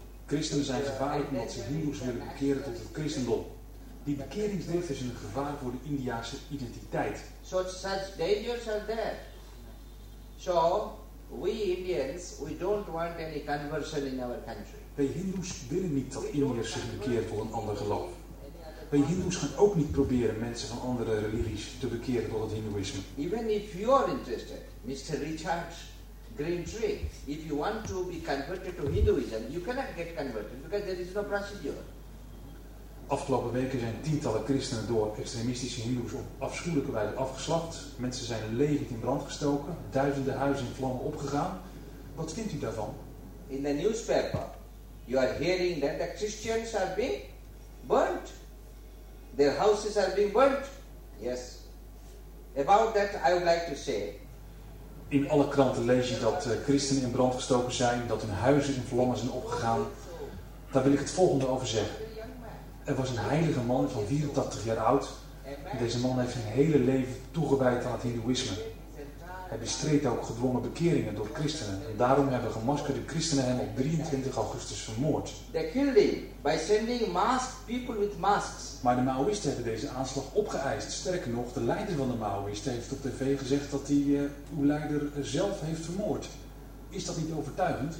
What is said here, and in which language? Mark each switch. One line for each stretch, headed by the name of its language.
Dutch: Christenen zijn gevaarlijk omdat ze hindoes willen bekeren tot het christendom. Die bekeringsdrift is een gevaar voor de Indiase identiteit.
English: So such dangers are there. So we Indians, we don't want any conversion in our country.
Dutch: Wij hindoes willen niet dat Indiërs zich bekeren tot een ander geloof. Wij hindoes gaan ook niet proberen mensen van andere religies te bekeren tot het hindoeïsme.
English: Even if you are interested, Mr. Richard Greentree, if you want to be converted to Hinduism, you cannot get converted because there is no procedure.
Dutch: Afgelopen weken zijn tientallen christenen door extremistische hindoes op afschuwelijke wijze afgeslacht. Mensen zijn levend in brand gestoken, duizenden huizen in vlammen opgegaan. Wat vindt u daarvan?
English: In the newspaper. You are hearing that the Christians are being burnt. Their houses are being burnt. Yes. About that I would like to say.
Dutch: In alle kranten lees je dat christenen in brand gestoken zijn, dat hun huizen in vlammen zijn opgegaan. Daar wil ik het volgende over zeggen. Er was een heilige man van 84 jaar oud. Deze man heeft zijn hele leven toegewijd aan het hindoeïsme. Hij bestreed ook gedwongen bekeringen door christenen. En daarom hebben gemaskerde christenen hem op 23 augustus vermoord.
English: They killed him by sending masked people with masks.
Dutch: Maar de Maoïsten hebben deze aanslag opgeëist. Sterker nog, de leider van de Maoïsten heeft op tv gezegd dat hij uw leider zelf heeft vermoord. Is dat niet overtuigend?